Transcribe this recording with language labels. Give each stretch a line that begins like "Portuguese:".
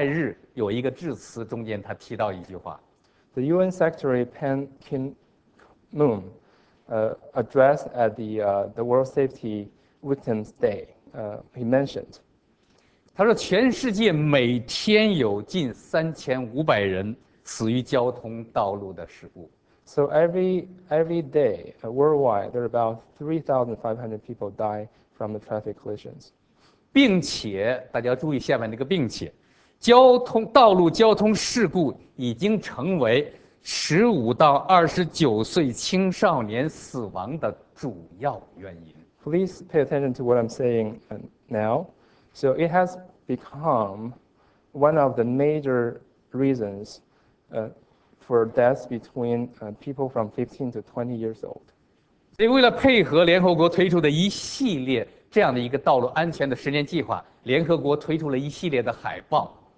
Chinese: 那联合国秘书长潘基文在去年2011年世界道路交通事故受害日有一个致辞，中间他提到一句话。
English: The UN Secretary Pan Ki Moon addressed at the World Safety Victims Day. He mentioned.
Chinese: 他说，全世界每天有近3500人死于交通道路的事故。
English: So every day worldwide, there are about 3,500 people die from the traffic collisions.
Chinese: 并且大家要注意下面那个并且，道路交通事故已经成为15到29岁青少年死亡的主要原因。
English: Please pay attention to what I'm saying now. So it has become one of the major reasons for deaths between people from 15 to 20 years old.
Chinese: 所以，为了配合联合国推出的一系列这样的一个道路安全的10年计划，联合国推出了一系列的海报。